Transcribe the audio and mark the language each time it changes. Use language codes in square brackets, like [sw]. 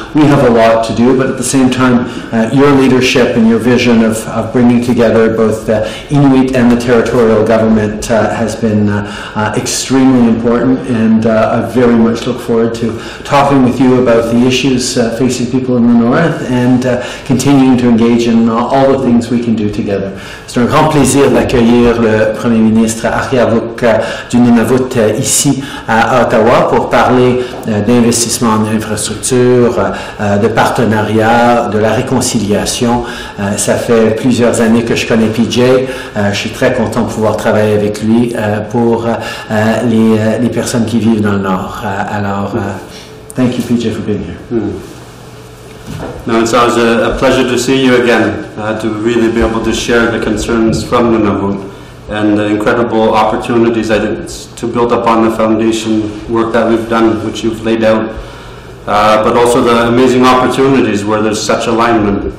[en] We have a lot to do, but at the same time, your leadership and your vision of bringing together both the Inuit and the territorial government has been extremely important, and I very much look forward to talking with you about the issues facing people in the north and continuing to engage in all the things we can do together. [fr] C'est un grand plaisir d'accueillir le Premier ministre Akeeagok du Nunavut ici à Ottawa pour parler d'investissement en infrastructure, de partenariat, de la réconciliation. Ça fait plusieurs années que je connais PJ. Je suis très content de pouvoir travailler avec lui pour les personnes qui vivent dans le Nord. [en] Alors, thank you, PJ, for being here. No, it's always a pleasure to see you again, to really be able to share the concerns from Nunavut and the incredible opportunities that it's to build upon the foundation work that we've done, which you've laid out, but also the amazing opportunities where there's such alignment.